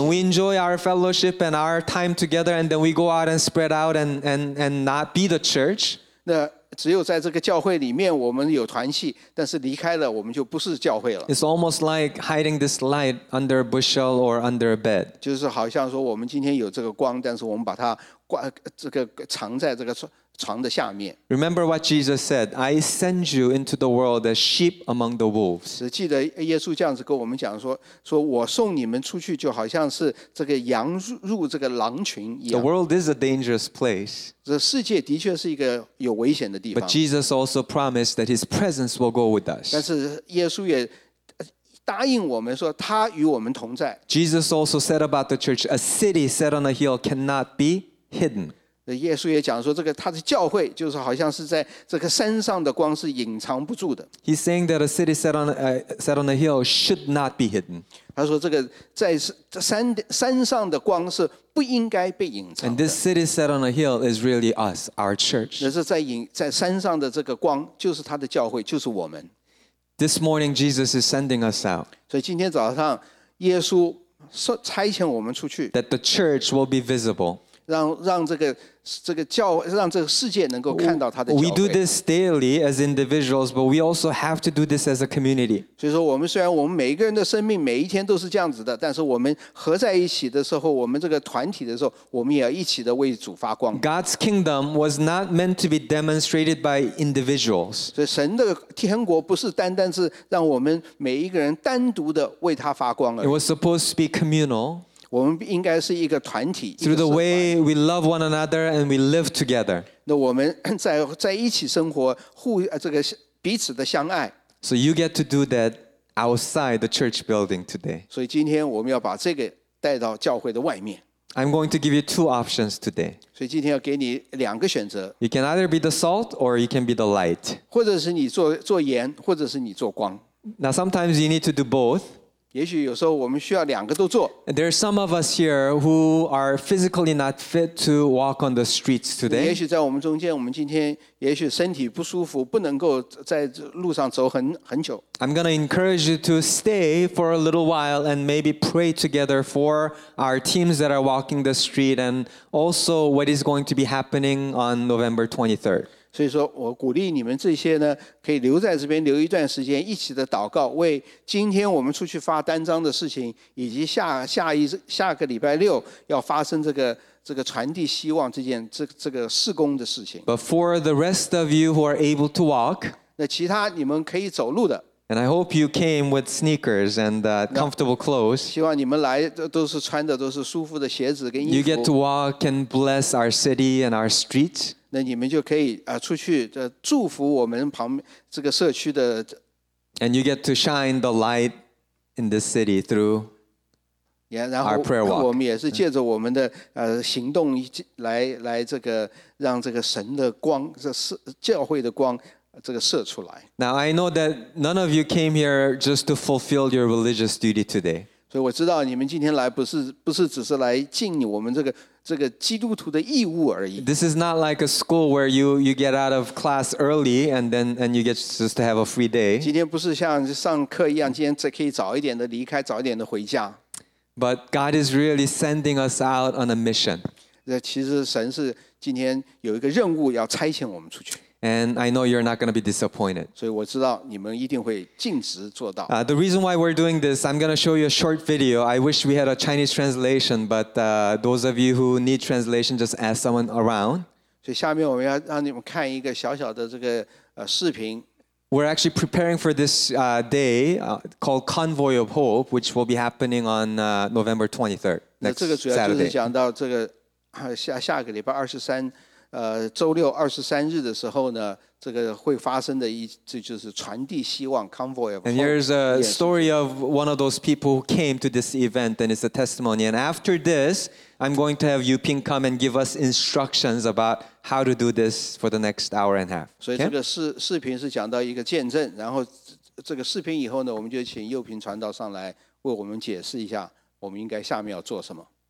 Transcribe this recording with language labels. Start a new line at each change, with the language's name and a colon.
English: And we enjoy our fellowship and our time together, and then we go out and spread out and not be the church.
Chinese: 那只有在这个教会里面我们有团契，但是离开了我们就不是教会了。
English: It's almost like hiding this light under a bushel or under a bed.
Chinese: 就是好像说我们今天有这个光，但是我们把它藏在这个床的下面。
English: Remember what Jesus said, I send you into the world as sheep among the wolves.
Chinese: 记得耶稣这样子跟我们讲说我送你们出去就好像是这个羊入这个狼群一样。
English: The world is a dangerous place.
Chinese: 这世界的确是一个有危险的地方。
English: But Jesus also promised that his presence will go with us.
Chinese: 但是耶稣也答应我们说他与我们同在。
English: Jesus also said about the church, a city set on a hill cannot be hidden.
Chinese: 耶稣也讲说，这个他的教会就是好像是在这个山上的光是隐藏不住的。
English: He's saying that a city set on a hill should not be hidden.
Chinese: 他说这个在山上的光是不应该被隐藏的。
English: And this city set on a hill is really us, our church.
Chinese: 那是在山上的这个光就是他的教会，就是我们。
English: This morning Jesus is sending us out.
Chinese: 所以今天早上耶稣差遣我们出去
English: that the church will be visible
Chinese: 让这个这个教让这个世界能够看到他的教会
English: we do this daily as individuals but we also have to do this as a community
Chinese: 所以说我们虽然我们每一个人的生命每一天都是这样子的但是我们合在一起的时候我们这个团体的时候我们也要一起的为主发光
English: God's kingdom was not meant to be demonstrated by individuals
Chinese: 所以神的天国不是单单是让我们每一个人单独的为他发光而已
English: it was supposed to be communal
Chinese: 我们应该是一个团体
English: through the way we love one another and we live together
Chinese: 那我们 在一起生活互、这个、彼此的相爱
English: so you get to do that outside the church building today
Chinese: 所以今天我们要把这个带到教会的外面
English: I'm going to give you two options today
Chinese: 所以今天要给你两个选择
English: you can either be the salt or you can be the light
Chinese: 或者是你 做盐或者是你做光
English: now sometimes you need to do both
Chinese: 也许有时候我们需要两个都做。
English: There are some of us here who are physically not fit to walk on the streets today.
Chinese: 也许在我们中间，我们今天也许身体不舒服，不能够在路上走很久。
English: I'm going to encourage you to stay for a little while and maybe pray together for our teams that are walking the street and also what is going to be happening on November 23rd.
Chinese: 所以说我鼓励你们这些呢可以留在这边留一段时间一起的祷告为今天我们出去发单张的事情以及 下个礼拜六要发生这个这个传递希望这件 这个事工的事情
English: But for the rest of you who are able to walk
Chinese: 那其他你们可以走路的
English: And I hope you came with sneakers and comfortable clothes
Chinese: 希望你们来都是穿的都是舒服的鞋子跟衣服
English: You get to walk and bless our city and our streets
Chinese: 那你们就可以出去祝福我们旁这个社区的
English: And you get to shine the light in this city through our prayer walk
Chinese: 我们也是借着我们的行动 来这个让这个神的光这教会的光这个射出来
English: Now I know that none of you came here just to fulfill your religious duty today
Chinese: 所以我知道你们今天来不是只是来敬我们这个这个基督徒的义务而已。
English: This is not like a school where you get out of class early and then and you get just to have a free day.
Chinese: 今天不是像上课一样，今天只可以早一点的离开，早一点的回家。
English: But God is really sending us out on a mission.
Chinese: 其实神是今天有一个任务要差遣我们出去。
English: And I know you're not going to be disappointed.
Chinese: 所以我知道你们一定会尽职做到。
English: The reason why we're doing this, I'm going to show you a short video. I wish we had a Chinese translation, but those of you who need translation, just ask someone around.
Chinese: 所以下面我们要让你们看一个小小的这个视频。
English: We're actually preparing for this day called Convoy of Hope, which will be happening on November 23rd, next Saturday.
Chinese: 这个主要就是讲到这个下个礼拜二十三。周六二十三日的时候呢，这个会发生的这就是传递希望 convoy of
English: hope. And here's a story of one of those people who came to this event, and it's a testimony. And after this, I'm going to have Yuping come and give us instructions about how to do this for the next hour and a half.
Chinese: 所以这个视频是讲到一个见证，然后这个视频以后呢，我们就请佑平传道上来为我们解释一下我们应该下面要做什么。